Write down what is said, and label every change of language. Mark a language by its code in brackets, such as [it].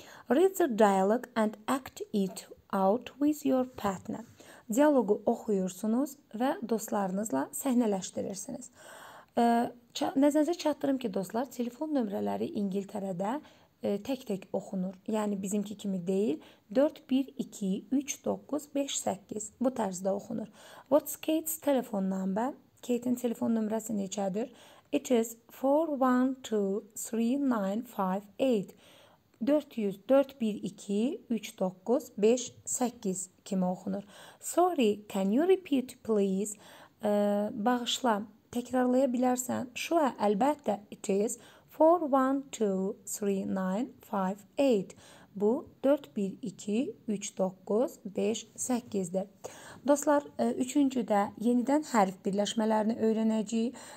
[en] Read the dialogue and act it out with your partner. [az] Diyaloğu oxuyursunuz və dostlarınızla səhnələşdirirsiniz. Nəzərinizə çatdırım ki, dostlar, telefon nömrələri İngiltərədə tək-tək oxunur. Yəni, bizimki kimi deyil. 4, 1, 2, 3, 9, 5, 8 bu tərzdə oxunur. [en] What's Kate's telephone number? [az] Kate'in telefon nömrəsi neçədir? [en] It is 412-3958. [az] 400, 4, 1, 2, 3, 9, 5, 8 kimi oxunur. [en] Sorry, can you repeat, please? [az] Bağışla, təkrarlaya bilərsən. Şua, əlbəttə, [en] it is 412-3958. [az] Bu, 4, 1, 2, 3, 9, 5, 8-dir. Dostlar, üçüncüdə yenidən hərf birləşmələrini öyrənəcəyik.